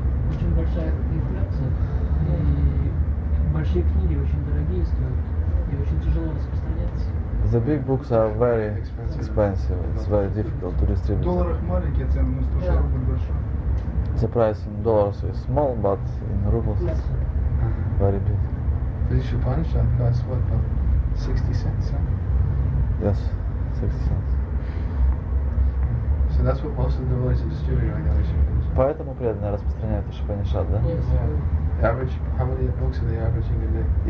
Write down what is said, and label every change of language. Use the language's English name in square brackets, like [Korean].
[Russian] Очень большая инфляция. И большие книги очень дорогие стоят. И очень тяжело распространяться. [English] The big books are very expensive. It's very difficult to distribute. [Russian] В долларах маленькие цены, но 100 рублей большой. [English] The price in dollars is small, but in rubles it's very big. British Upanishad costs what, about 60 cents, huh? Yes, 60 cents. So that's what most of the devotees are distributing right now, Upanishad. [Russian] Поэтому преданные распространяют Упанишад, да? [English] Yes. Yeah. Average, how many books are they averaging a day?